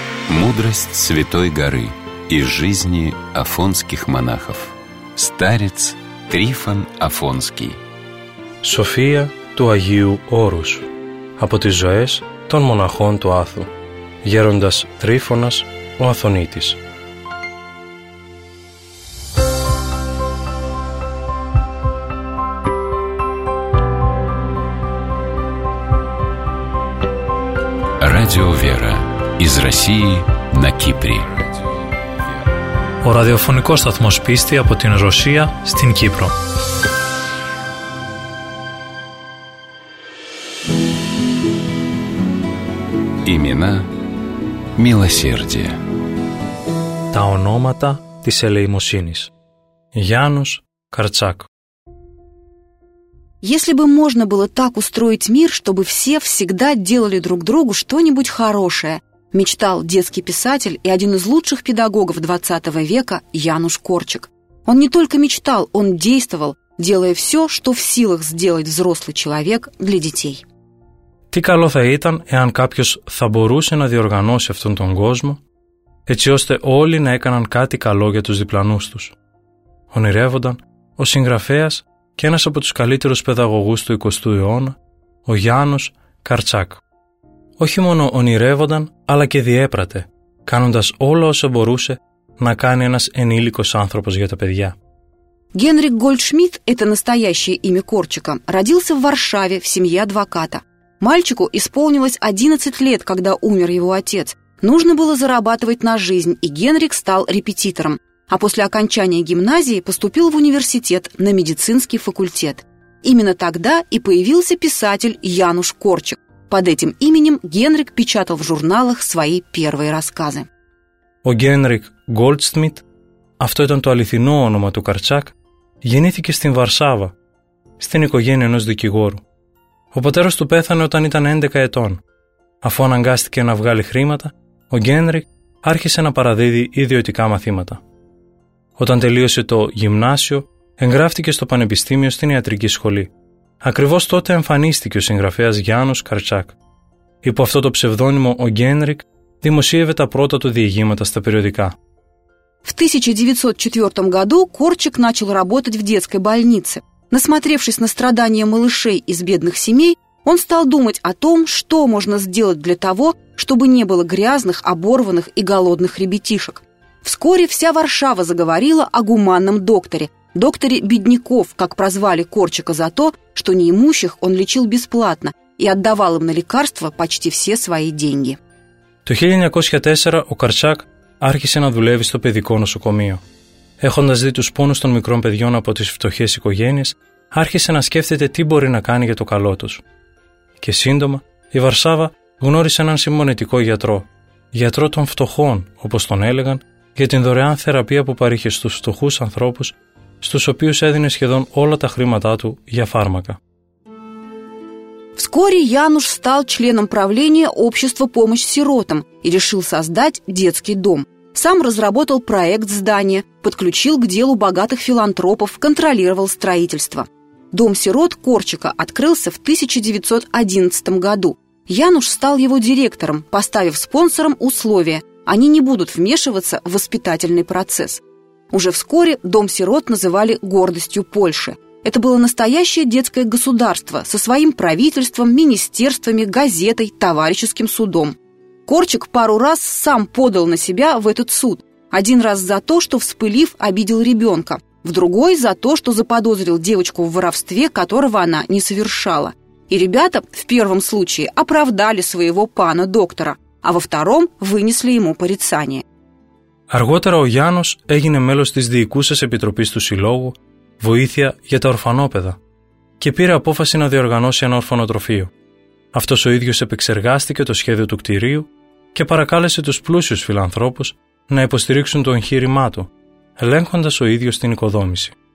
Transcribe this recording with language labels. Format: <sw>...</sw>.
<ru>Мудрость Святой Горы и жизни афонских монахов. Старец Трифон Афонский.</ru> <el>Σοφία του Αγίου Όρους. Από τις ζωές των μοναχών του Άθου. Γέροντας Τρίφωνας ο Αθωνίτης.</el> <ru>Радио Вера из России на Кипре.</ru> <el>Ο ραδιοφωνικός σταθμός πίστη από την Ρωσία στην Κύπρο.</el> <ru>Имена милосердия.</ru> <el>Τα ονόματα της ελεημοσύνης. Γιάννος Καρτσάκ.</el> <ru>Если бы можно было так устроить мир, чтобы все всегда делали друг другу что-нибудь хорошее, мечтал детский писатель и один из лучших педагогов 20 века Януш Корчик. Он не только мечтал, он действовал, делая все, что в силах сделать взрослый человек для детей.</ru> <el>Τι καλό θα ήταν, εάν κάποιος θα μπορούσε να διοργανώσει αυτόν τον κόσμο, έτσι ώστε όλοι να έκαναν κάτι καλό για τους διπλανούς τους. Ονειρεύονταν ο συγγραφέας και ένας από τους καλύτερους παιδαγωγούς του 20ου αιώνα, ο Γιάννος Καρτσάκ. Όχι μόνο ονειρεύονταν, αλλά και διέπρατε, κάνοντας όλα όσα μπορούσε να κάνει ένας ενήλικος άνθρωπος για τα παιδιά.</el> <ru>Генрик Гольдшмидт – это настоящее имя Корчика. Родился в Варшаве в семье адвоката. Мальчику исполнилось 11 лет, когда умер его отец. Нужно было зарабатывать на жизнь, и Генрик стал репетитором. А после окончания гимназии поступил в университет на медицинский факультет. Именно тогда и появился писатель Януш Корчик. Под этим именем Генрик печатал в журналах свои первые рассказы.</ru> <el>Ο Генрик Гольдшмидт, αυτό ήταν το αληθινό όνομα του Καρτσάκ, γεννήθηκε στην Βαρσάβα, στην οικογένεια ενός δικηγόρου. Ο πατέρας του πέθανε όταν ήταν 11 ετών. Αφού αναγκάστηκε να βγάλει χρήματα, ο Γένρικ άρχισε να παραδίδει ιδιωτικά μαθήματα. Όταν τελείωσε το γυμνάσιο, εγγράφτηκε στο πανεπιστήμιο στην ιατρική σχολή. Ακριβώς τότε εμφανίστηκε ο συγγραφέας Γιάννος Καρτσάκ. Υπό αυτό το ψευδώνυμο ο Γένρικ δημοσίευε τα πρώτα του διηγήματα στα περιοδικά.</el> <ru>В 1904 году Корчик начал работать в детской больнице. Насмотревшись на страдания малышей из бедных семей, он стал думать о том, что можно сделать для того, чтобы не было грязных, оборванных и голодных ребятишек. Вскоре вся Варшава заговорила о гуманном докторе, докторе бедняков, как прозвали Корчика за то, что неимущих он лечил бесплатно и отдавал им на лекарства почти все свои деньги. В 1904 году</ru> <el>Корчак άρχισε να δουλεύει στο παιδικό νοσοκομείο. Έχοντας δει τους πόνους των μικρών παιδιών από τις φτωχές οικογένειες, άρχισε να σκέφτεται τι μπορεί να κάνει για το καλό τους. Και σύντομα, η Βαρσάβα γνώρισε έναν συμμονετικό γιατρό. Γιατρό των φτωχών, όπως τον έλεγαν, για την δωρεάν θεραπεία που παρήχε στους φτωχούς ανθρώπους, στους οποίους έδινε σχεδόν όλα τα χρήματά του για φάρμακα.</el> <ru>Вскоре Януш стал членом правления общества помощи сиротам и решил создать детский дом. Сам разработал проект здания, подключил к делу богатых филантропов, контролировал строительство. Дом сирот Корчика открылся в 1911 году. Януш стал его директором, поставив спонсорам условия: они не будут вмешиваться в воспитательный процесс. Уже вскоре дом сирот называли гордостью Польши. Это было настоящее детское государство со своим правительством, министерствами, газетой, товарищеским судом. Корчик пару раз сам подал на себя в этот суд. Один раз за то, что, вспылив, обидел ребенка. В другой за то, что заподозрил девочку в воровстве, которого она не совершала. И ребята в первом случае оправдали своего пана-доктора, а во втором вынесли ему порицание.</ru> <el>Αργότερα ο Γιάννος έγινε μέλος της Διοικούσας Επιτροπής του Συλλόγου «Βοήθεια για τα Ορφανόπαιδα» και πήρε απόφαση να διοργανώσει ένα ορφανοτροφείο. Αυτός ο ίδιος επεξεργάστηκε το σχέδιο του κτηρίου και παρακάλεσε τους πλούσιους φιλανθρώπους να υποστηρίξουν το εγχείρημά του, ελέγχοντας ο ίδιος την οικοδόμηση.</el>